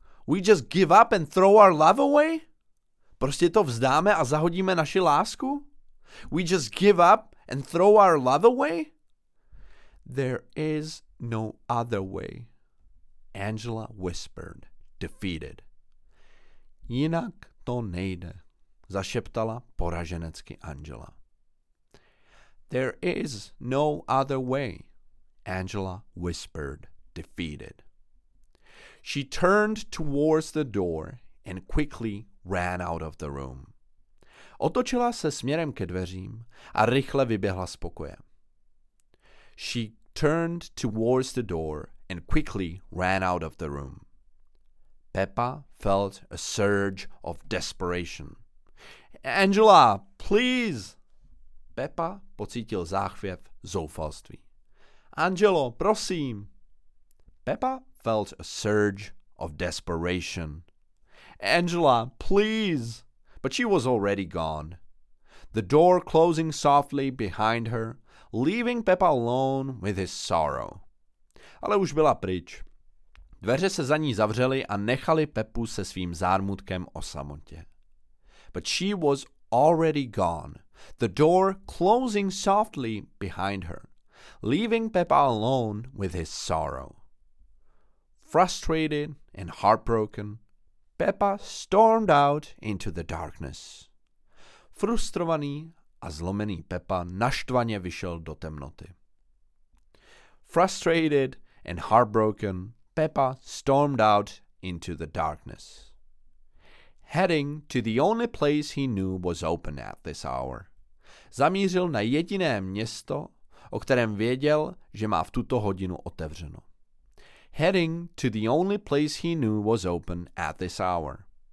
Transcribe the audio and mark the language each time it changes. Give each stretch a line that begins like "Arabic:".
English: We just give up and throw our love away?
Czech: Prostě to vzdáme a zahodíme naši lásku?
English: We just give up and throw our love away? There is no other way. Angela whispered, defeated.
Czech: Jinak to nejde, zašeptala poraženecky Angela.
English: There is no other way, Angela whispered, defeated. She turned towards the door and quickly ran out of the room.
Czech: Otočila se směrem ke dveřím a rychle vyběhla z pokoje.
English: She turned towards the door and quickly ran out of the room. Pepa felt a surge of desperation. Angela, please!
Czech: Pepa pocítil záchvěv zoufalství. Angelo, prosím!
English: Pepa felt a surge of desperation. "Angela, please!" But she was already gone. The door closing softly behind her, leaving Pepa alone with his sorrow.
Czech: Ale už byla pryč. Dveře se za ní zavřely a nechali Pepu se svým zármutkem o samotě.
English: But she was already gone. The door closing softly behind her, leaving Pepa alone with his sorrow. Frustrated and heartbroken, Pepa stormed out into the darkness.
Czech: Frustrovaný a zlomený Pepa naštvaně vyšel do temnoty.
English: Frustrated and heartbroken, Pepa stormed out into the darkness. Heading to the only place he knew was open at this hour.
Czech: Zamířil na jediné město, o kterém věděl, že má v tuto hodinu otevřeno.
English: Heading to the only place he knew was open at this hour.